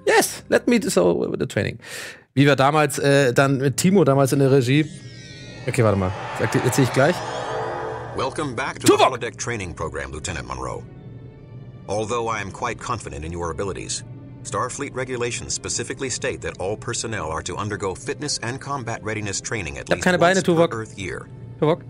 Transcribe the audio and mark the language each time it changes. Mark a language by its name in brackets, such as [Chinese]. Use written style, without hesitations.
[English] Yes, let me do so with the training. [German] Wie wir damals dann mit Timo damals in der Regie. Okay, warte mal. Jetzt sehe ich gleich. [English] Welcome back to the Holodeck Training Program, Lieutenant Monroe. Although I am quite confident in your abilities. Starfleet regulations specifically state that all personnel are to undergo fitness and combat readiness training at least once per Earth year. Tuvok.